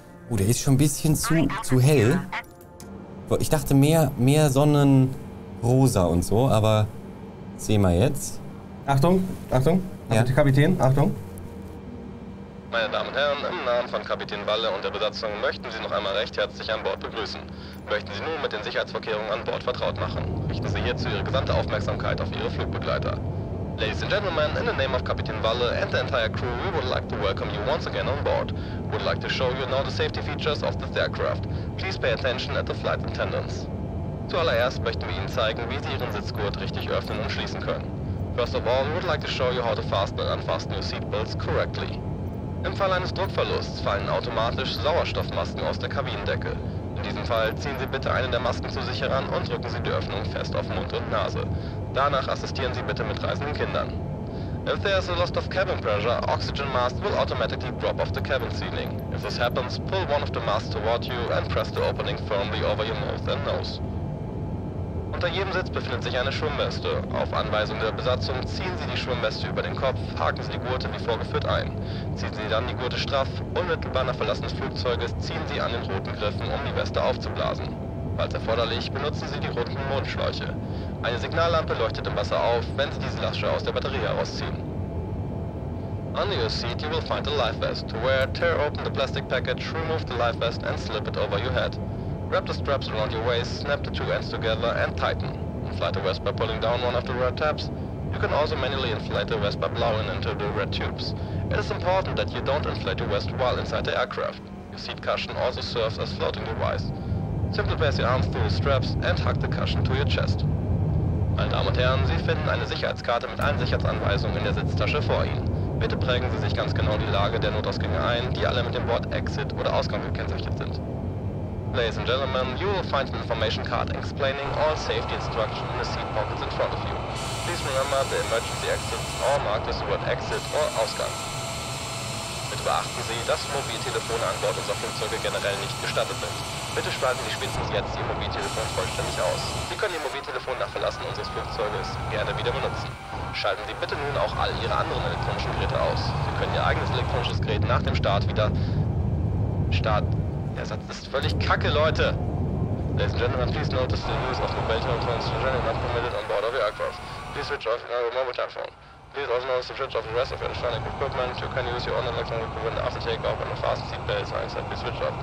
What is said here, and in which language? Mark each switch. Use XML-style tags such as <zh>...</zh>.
<de>Oh, der ist schon ein bisschen zu hell. Ich dachte mehr Sonnenrosa und so, aber sehen wir jetzt. Achtung, ja. Kapitän, Achtung. Meine Damen und Herren, im Namen von Kapitän Walle und der Besatzung möchten Sie noch einmal recht herzlich an Bord begrüßen. Möchten Sie nun mit den Sicherheitsvorkehrungen an Bord vertraut machen, richten Sie hierzu Ihre gesamte Aufmerksamkeit auf Ihre Flugbegleiter.</de> <en>Ladies and gentlemen, in the name of Kapitän Walle and the entire crew, we would like to welcome you once again on board. We would like to show you now the safety features of this aircraft. Please pay attention at the flight attendants.</en> <de>Zuallererst möchten wir Ihnen zeigen, wie Sie Ihren Sitzgurt richtig öffnen und schließen können.</de> <en>First of all, we would like to show you how to fasten and unfasten your seatbelts correctly.</en> <de>Im Fall eines Druckverlusts fallen automatisch Sauerstoffmasken aus der Kabinendecke. In diesem Fall ziehen Sie bitte eine der Masken zu sich heran und drücken Sie die Öffnung fest auf Mund und Nase. Danach assistieren Sie bitte mit reisenden Kindern.</de> <en>If there is a loss of cabin pressure, oxygen mask will automatically drop off the cabin ceiling. If this happens, pull one of the masks toward you and press the opening firmly over your mouth and nose.</en> <de>Unter jedem Sitz befindet sich eine Schwimmweste. Auf Anweisung der Besatzung ziehen Sie die Schwimmweste über den Kopf, haken Sie die Gurte wie vorgeführt ein. Ziehen Sie dann die Gurte straff, unmittelbar nach Verlassen des Flugzeuges ziehen Sie an den roten Griffen, um die Weste aufzublasen. Falls erforderlich, benutzen Sie die roten Mundschläuche. Eine Signallampe leuchtet im Wasser auf, wenn Sie diese Lasche aus der Batterie herausziehen.</de> <en>Under your seat you will find a life vest. To wear, tear open the plastic package, remove the life vest and slip it over your head. Wrap the straps around your waist, snap the two ends together and tighten. Inflate the vest by pulling down one of the red tabs. You can also manually inflate the vest by blowing into the red tubes. It is important that you don't inflate your vest while inside the aircraft. Your seat cushion also serves as floating device. Simply place your arms through the straps and hug the cushion to your chest.</en> <de>Meine Damen und Herren, Sie finden eine Sicherheitskarte mit allen Sicherheitsanweisungen in der Sitztasche vor Ihnen. Bitte prägen Sie sich ganz genau die Lage der Notausgänge ein, die alle mit dem Wort Exit oder Ausgang gekennzeichnet sind.</de> <en>Ladies and gentlemen, you will find an information card explaining all safety instructions in the seat pockets in front of you. Please remember the emergency exits are marked as the word Exit or Ausgang.</en> <de>Bitte beachten Sie, dass Mobiltelefone an Bord unserer Flugzeuge generell nicht gestattet sind. Bitte schalten Sie spätestens jetzt Ihr Mobiltelefon vollständig aus. Sie können Ihr Mobiltelefon nach Verlassen unseres Flugzeuges gerne wieder benutzen. Schalten Sie bitte nun auch all Ihre anderen elektronischen Geräte aus. Sie können Ihr eigenes elektronisches Gerät nach dem Start wieder... Start... Der Satz ist völlig kacke, Leute!</de> <en>Ladies and gentlemen, please notice the use of mobile telephones in general not permitted on board of your aircraft. Please switch off your mobile telephone. Please also notice the switch off the rest of your electronic equipment. You can use your own electronic equipment after takeoff and the fast seatbelt signs have been switched off.</en>